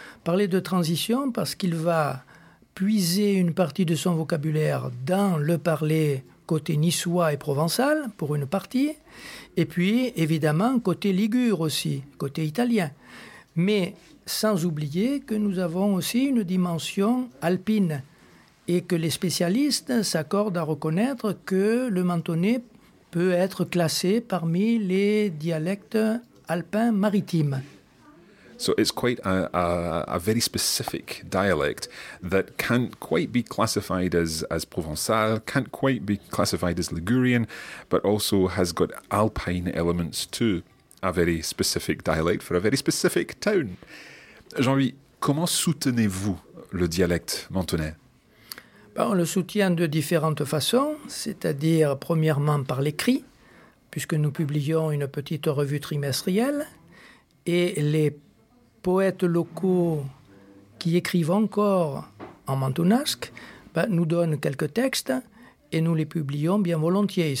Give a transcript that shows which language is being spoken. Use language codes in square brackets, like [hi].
[fr] Parler de transition parce qu'il va puiser une partie de son vocabulaire dans le parler côté niçois et provençal, pour une partie, et puis, évidemment, côté ligure aussi, côté italien. Mais sans oublier que nous avons aussi une dimension alpine et que les spécialistes s'accordent à reconnaître que le mentonais peut être classé parmi les dialectes alpin maritime. [en] So it's quite a very specific dialect that can't quite be classified as Provençal, can't quite be classified as Ligurian, but also has got alpine elements too. A very specific dialect for a very specific town. [fr] Jean-Louis, comment soutenez-vous le dialecte mentonais? Ben, on le soutient de différentes façons, c'est-à-dire premièrement par l'écrit, puisque nous publions une petite revue trimestrielle, et les poètes locaux qui écrivent encore en mentonasque ben, nous donnent quelques textes et nous les publions bien volontiers.